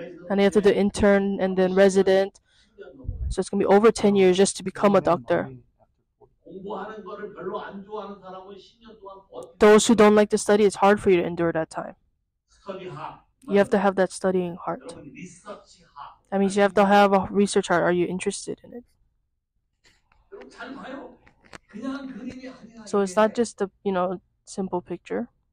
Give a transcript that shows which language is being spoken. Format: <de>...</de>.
<en>And you have to do intern and then resident. So it's going to be over 10 years just to become a doctor.</en> <ko>공부하는 거를 별로 안 좋아하는 사람은 10년 동안 버티.</ko> <en>Those who don't like to study, it's hard for you to endure that time. Study heart. You have to have that studying heart. 여러분, research heart. That means you have to have a research heart. Are you interested in it?</en> <ko>여러분, 잘 봐요. 그냥 그림이 아니라.</ko> <en>So it's not just the, you know, simple picture.</en>